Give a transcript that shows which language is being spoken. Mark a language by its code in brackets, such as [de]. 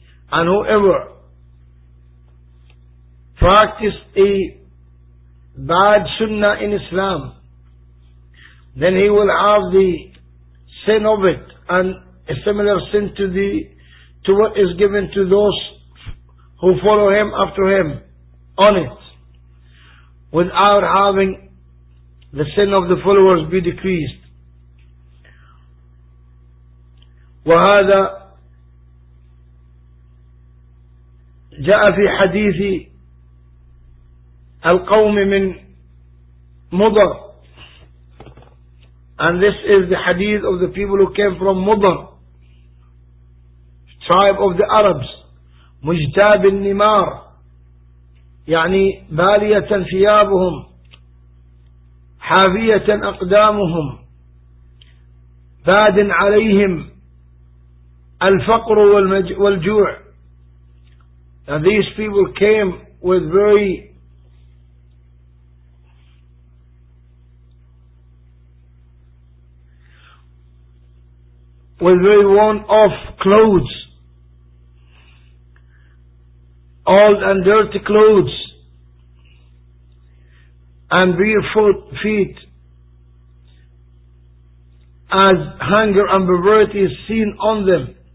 [en] And whoever practiced a bad sunnah in Islam, then he will have the sin of it, and a similar sin to what is given to those who follow him after him on it, without having the sin of the followers be decreased. [ar] وهذا جاء في حديث القوم من مضر. [en] And this is the hadith of the people who came from Mudar, tribe of the Arabs. [ar] مجتاب النمار يعني بالية ثيابهم حافية أقدامهم باد عليهم الفقر والجوع. [en] And these people came with very worn off clothes, old and dirty clothes, and barefoot feet, as hunger and barbarity is seen on them.